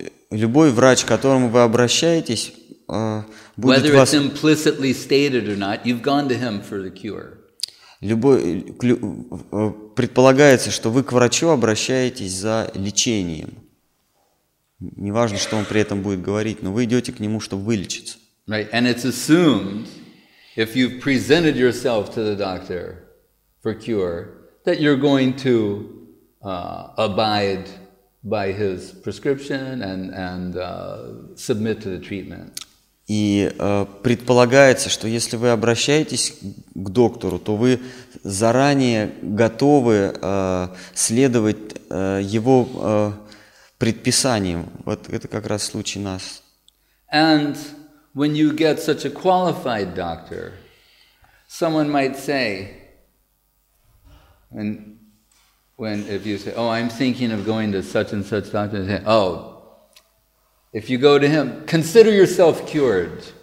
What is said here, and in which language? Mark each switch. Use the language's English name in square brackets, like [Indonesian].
[Russian] Любой врач, к которому вы обращаетесь, будет [English] Whether [Russian] вас... [English] it's implicitly stated or not, you've gone to him for the cure. [Russian] Предполагается, что вы к врачу обращаетесь за лечением. Неважно, что он при этом будет говорить, но вы идете к нему, чтобы вылечиться. [English] Right, and it's assumed, if you've presented yourself to the doctor for cure, that you're going to abide by his prescription and submit to the treatment. [Russian] И предполагается, что если вы обращаетесь к доктору, то вы заранее готовы следовать его предписаниям. Вот это как раз случай нас. [English] And when you get such a qualified doctor, someone might say, when if you say, oh, I'm thinking of going to such and such doctor, they say, oh, if you go to him, consider yourself cured.